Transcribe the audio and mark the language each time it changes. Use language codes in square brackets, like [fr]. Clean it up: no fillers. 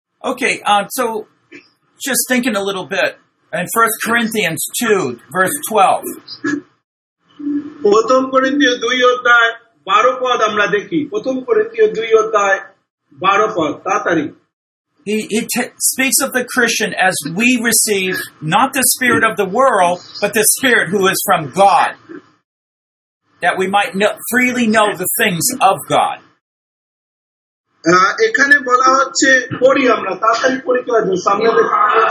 [en] okay, so just thinking a little bit, and 1 Corinthians 2 verse 12, [bn] প্রথম কোরিন্থীয় 2 অধ্যায় 12 পদ আমরা দেখি, প্রথম কোরিন্থীয় 2 অধ্যায় 12 পদ তাড়াতাড়ি। [en] He speaks of the Christian as we receive not the spirit of the world, but the spirit who is from God, that we might freely know the things of God. [bn] এখানে বলা হচ্ছে, পড়ি আমরা তাড়াতাড়ি পড়ি, তো আজ সামনে দেখতে পাচ্ছি